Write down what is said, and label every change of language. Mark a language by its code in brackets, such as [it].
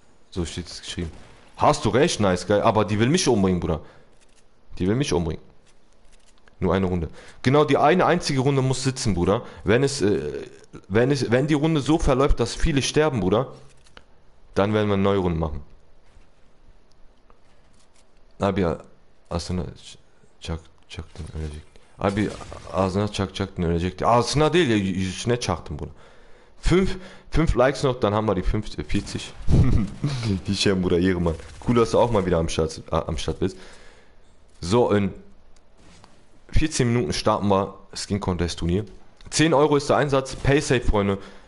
[de] So steht es geschrieben. Hast du recht, nice guy. Aber die will mich umbringen, Bruder. Die will mich umbringen. Nur eine Runde. Genau, die eine einzige Runde muss sitzen, Bruder. Wenn die Runde so verläuft, dass viele sterben, Bruder, dann werden wir eine neue Runde machen. [tr] Abi Asuna çaktın ölecek. Abi ağzına çaktın ölecek. Asuna değil ya yüzüne çaktın bunu. [de] 5 likes noch, dann haben wir die 40. Die Schirm, Bruder, ihre Mann. Cool, dass du auch mal wieder am Start bist. So, in 14 Minuten starten wir Skin Contest Turnier. 10 € ist der Einsatz. Pay safe, Freunde.